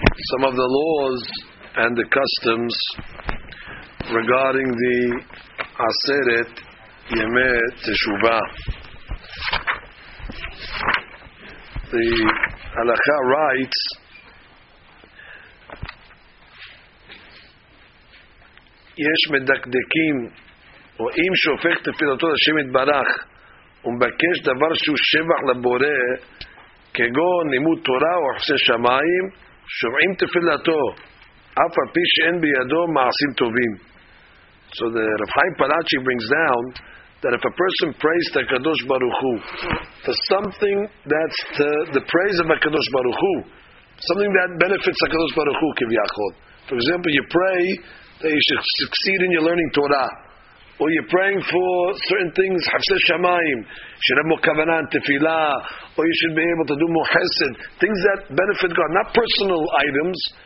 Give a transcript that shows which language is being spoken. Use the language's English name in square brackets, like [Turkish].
[English] some of the laws and the customs regarding the Aseret Yemei Teshuvah. The halakha writes [Hebrew] יש מדקדקים רואים שהופך תפילתו לשם יתברך ומבקש דבר שהוא שבח לבורא כגון לימוד תורה או חסי שמיים שומעים תפילתו אף על פי שאין בידו מעשים טובים. [English] So the Rav Chaim Palachi brings down that if a person prays to HaKadosh Baruch Hu for something that's the praise of HaKadosh Baruch Hu, something that benefits HaKadosh Baruch Hu kivyachol. For example, you pray that you should succeed in your learning Torah, or you're praying for certain things, Hafsei Shamayim, you should have more kavanah and tefillah, or you should be able to do more chesed, things that benefit God, not personal items.